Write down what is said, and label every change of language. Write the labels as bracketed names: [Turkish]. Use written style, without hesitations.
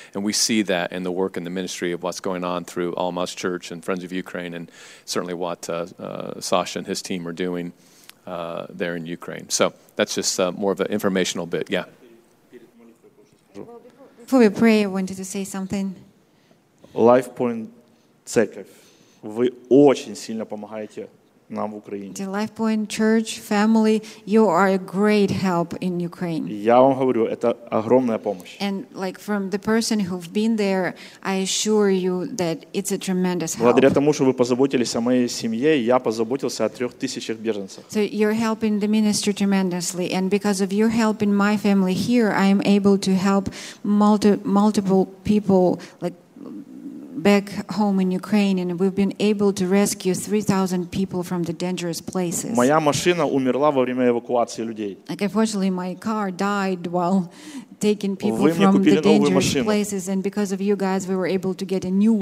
[English] And we see that in the work and the ministry of what's going on through Almas Church and Friends of Ukraine and certainly what Sasha and his team are doing there in Ukraine. So that's just more of an informational bit. Yeah. Before we pray, I wanted to say something. [Ukrainian] LifePoint церковь, ви очень сильно помогаєте. [English] The LifePoint Church family, you are a great help in Ukraine. [Ukrainian] Я вам говорю, це огромна допомога. [English] And like from the person who've been there, I assure you that it's a tremendous help. [Ukrainian] Благодаря тому, що ви позаботилися моєю сім'єю, я позаботився о 3000 біженцях. [English] So you're helping the ministry tremendously, and because of your help in my family here, I am able to help multiple people like back home in Ukraine, and we've been able to rescue 3,000 people from the dangerous places. [Ukrainian] Моя машина умерла во время евакуації людей. [English] Like, unfortunately, my car died while taking people from the dangerous places, and because of you guys, we were able to get a new one.